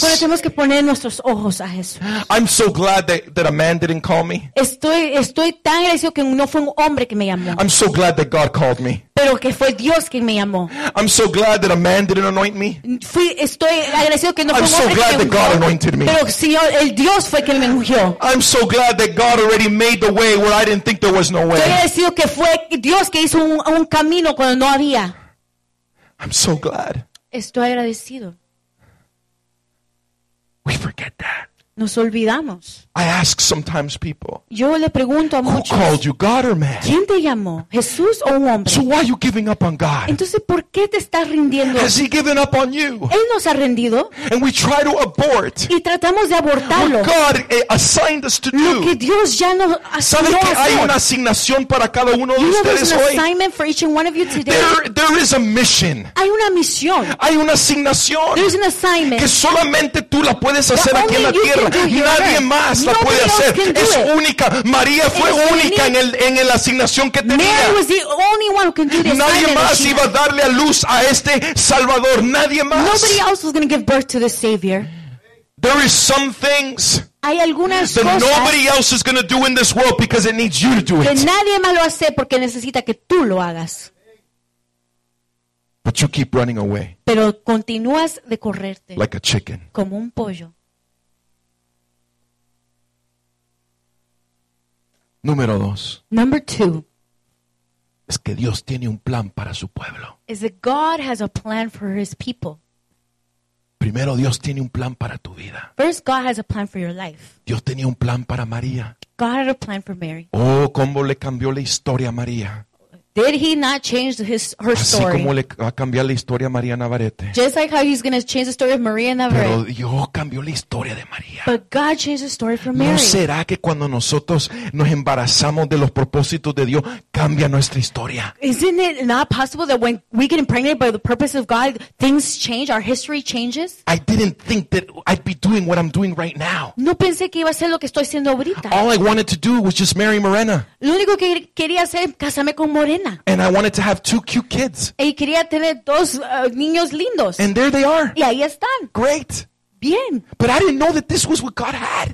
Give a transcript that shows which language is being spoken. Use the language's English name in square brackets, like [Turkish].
[Spanish] Cuando tenemos que poner nuestros ojos a Jesús. [English] I'm so glad that a man didn't call me. [Spanish] Estoy tan agradecido que no fue un hombre que me llamó. [English] I'm so glad that God called me. [Spanish] Pero que fue Dios quien me llamó. [English] I'm so glad that a man didn't anoint me. [Spanish] Estoy agradecido que no fue [English] I'm [Spanish] un hombre [English] so glad [Spanish] que [English] that God anointed me. [Spanish] Señor, el Dios fue quien me ungió. [English] I'm so glad that God already made the way where I didn't think there was no way. [Spanish] Estoy agradecido que fue Dios que hizo un camino cuando no había. [English] I'm so glad. [Spanish] Estoy agradecido. [English] We forget that. [Spanish] Nos olvidamos. [English] I ask sometimes people. [Spanish] Yo le pregunto a muchos. [English] Who called you, God or man? [Spanish] ¿Quién te llamó? ¿Jesús o un hombre? [English] So why are you giving up on God? [Spanish] Entonces, ¿por qué te estás rindiendo? [English] Has he given up on you? [Spanish] Él nos ha rendido. [English] And we try to abort. [Spanish] Y tratamos de abortarlo. [English] What God assigned us to do. [Spanish] Lo que Dios ya nos asignó. ¿Sabes que hacer? Hay una asignación para cada uno de ustedes hoy? [English] There is an assignment for each and one of you today. There is a mission. [Spanish] Hay una misión. Hay una asignación. [English] There is an assignment. [Spanish] Que solamente tú la puedes hacer aquí en la tierra. Nadie más la puede hacer. Es única. María fue única en la asignación que tenía. Nadie más iba a darle a luz a este Salvador. Nadie más. [English] Nobody else was going to give birth to the Savior. There is some things [Spanish] hay algunas [English] that [Spanish] cosas [English] nobody else is going to do in this world because it needs you to do it. [Spanish] Que nadie más lo hace porque necesita que tú lo hagas. [English] But But you keep running away. [Spanish] Pero continúas de correrte. [English] Like a chicken. [Spanish] Como un pollo. Número dos. [English] Number two. [Spanish] Es que Dios tiene un plan para su pueblo. [English] Is that God has a plan for his people. [Spanish] Primero, Dios tiene un plan para tu vida. [English] First, God has a plan for your life. [Spanish] Dios tenía un plan para María. [English] God had a plan for Mary. [Spanish] Oh, cómo le cambió la historia a María. [English] Did he not change her [Spanish] Así [English] story? [Spanish] Así como le va a cambiar la historia a María Navarrete. [English] Just like how he's going to change the story of Maria Navarrete. [Spanish] Pero Dios cambió la historia de María. [English] But God changed the story for Mary. [Spanish] ¿No será que cuando nosotros nos embarazamos de los propósitos de Dios, cambia nuestra historia? [English] Isn't it not possible that when we get impregnated by the purpose of God, things change, our history changes? I didn't think that I'd be doing what I'm doing right now. [Spanish] No pensé que iba a hacer lo que estoy haciendo ahorita. [English] All I wanted to do was just marry Morena. [Spanish] Lo único que quería hacer es casarme con Morena. [English] And I wanted to have two cute kids. [Spanish] Y quería tener dos niños lindos. [English] And there they are. [Spanish] Y ahí están. [English] Great. [Spanish] Bien. [English] But I didn't know that this was what God had.